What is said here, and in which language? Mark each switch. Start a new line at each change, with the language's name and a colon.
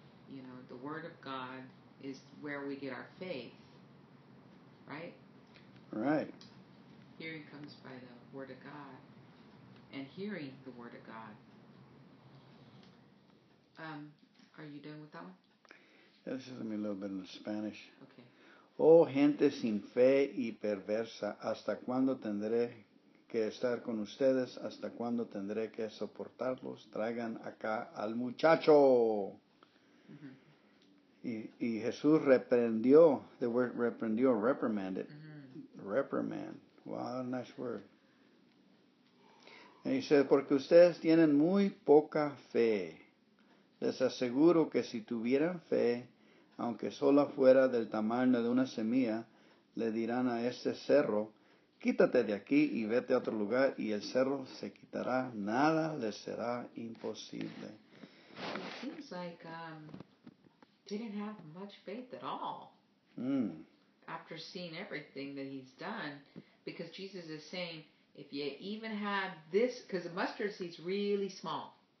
English: You know, the word of God is where we get our faith. Right? Right. Hearing comes by the word of God. And hearing the word of God. Are you done with that one? This is going to be a little bit in Spanish. Okay.
Spanish: "Oh, gente sin fe y perversa, ¿hasta cuándo tendré que estar con ustedes? ¿Hasta cuándo tendré que soportarlos? Traigan acá al muchacho." Mm-hmm. Y Jesús reprendió.
English: The word
Spanish: reprendió, reprimanded. Mm-hmm.
English: Reprimand. Wow, nice word. And he said,
Spanish: "Porque ustedes tienen muy poca fe. Les aseguro que si tuvieran fe, aunque solo fuera del tamaño de una semilla, le dirán a este cerro, Quítate de aquí y vete a otro lugar y el cerro se quitará. Nada le será imposible.
English: It seems like he didn't have much faith at all. After seeing everything that he's done, because Jesus is saying, if you even had this, because the mustard seed's really small.